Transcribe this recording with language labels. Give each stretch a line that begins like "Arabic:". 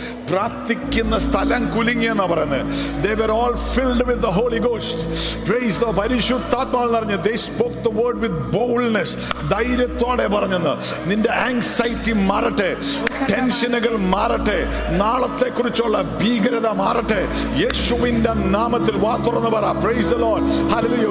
Malayalam: പ്രാർത്ഥിക്കുന്ന സ്ഥലം കുലുങ്ങിയെന്ന് പറയുന്നത്.
English: They were all filled with the Holy Ghost. Praise the
Malayalam: പരിശുദ്ധാത്മാവ് പറഞ്ഞു.
English: They spoke the word with boldness.
Malayalam: ധൈര്യത്തോടെ പറഞ്ഞെന്ന്. നിന്റെ ആങ്സൈറ്റി മാറട്ടെ, ടെൻഷനുകൾ മാറട്ടെ, നാളത്തെ കുറിച്ചുള്ള ഭീകരത മാറട്ടെ, യേശുവിന്റെ നാമത്തിൽ വാ തുറന്ന് പറ.
English: Praise the Lord.
Malayalam: ഹല്ലേലൂയ.